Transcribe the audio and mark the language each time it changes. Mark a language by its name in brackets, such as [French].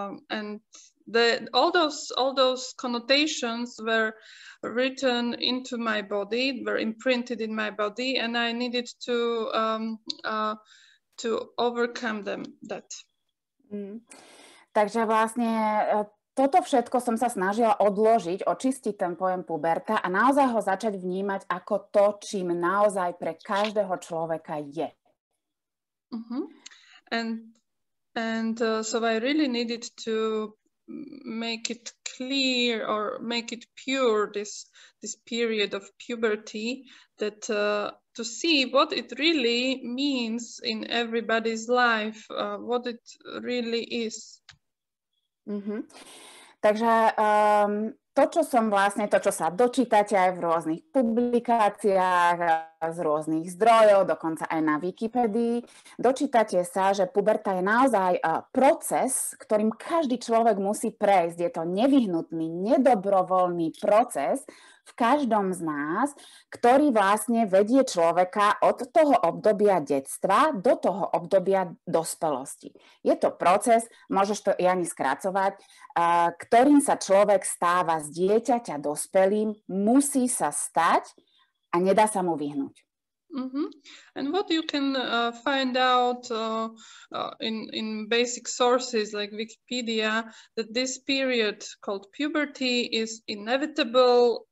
[English] And the all those connotations were written into my body, were imprinted in my body, and I needed to overcome them. That. [Slovak] Takže vlastne toto všetko som sa snažila odložiť, očistiť ten pojem puberta a naozaj ho začať vnímať ako to, čím naozaj pre každého človeka je. [English] So I really needed to make it clear or make it pure, this period of puberty, that to see what it really means in everybody's life, what it really is. Mm-hmm. [Slovak] Takže to, čo som vlastne, to, čo sa dočítate aj v rôznych publikáciách, z rôznych zdrojov, dokonca aj na Wikipedii, dočítate sa, že puberta je naozaj proces, ktorým každý človek musí prejsť. Je to nevyhnutný, nedobrovoľný proces v každom z nás, ktorý vlastne vedie človeka od toho obdobia detstva do toho obdobia dospelosti. Je to proces, môžeš to i ani skracovať, ktorým sa človek stáva z dieťaťa dospelým, musí sa stať a nedá sa mu vyhnúť. Mm-hmm. [English] And what you can find out in basic sources like Wikipedia, that this period called puberty is inevitable.